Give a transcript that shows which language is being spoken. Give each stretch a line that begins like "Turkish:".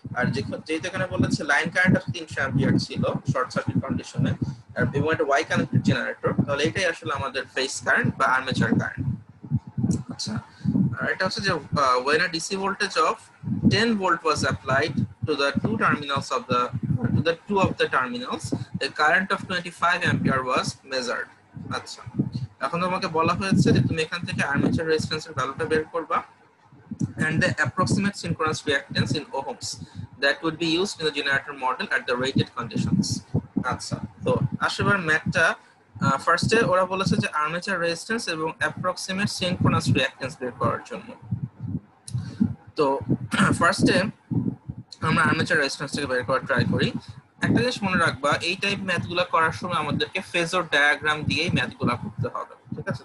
Bangla: আর যেহেতু এখানে বলেছে লাইন কারেন্ট 300 অ্যাম্পিয়ার ছিল শর্ট সার্কিট কন্ডিশনে, আর এবং এটা ওয়াই কানেক্টেড জেনারেটর, তাহলে এটাই আসলে আমাদের ফেজ কারেন্ট বা আর্মেচার কারেন্ট। আচ্ছা, আর এটা হচ্ছে যে
English: When a DC voltage of 10 volt was applied to the two terminals of the the two of the terminals the current of 25 ampere was measured.
Bangla: আচ্ছা, এখন তোমাকে বলা হয়েছে যে তুমি এখান থেকে আর্মেচার রেজিস্ট্যান্সের ভ্যালুটা বের করবা
English: and the approximate synchronous reactance in ohms that would be used in the generator model at the rated conditions.
Bangla: আচ্ছা, তো আসলে ম্যাথটা ফার্স্টে ওরা বলেছে যে আর্মেচার রেজিস্ট্যান্স এবং অ্যাপ্রক্সিমেট সিনক্রোনাস রিঅ্যাক্ট্যান্স বের করার জন্য। তো ফার্স্টে আমরা আর্মেচার রেজিস্ট্যান্স থেকে বের করার ট্রাই করি। একটা জিনিস মনে রাখবা, এই টাইপ ম্যাথগুলো করার সময় আমাদেরকে ফেজর ডায়াগ্রাম দিয়েই ম্যাথগুলো করতে হবে, ঠিক আছে?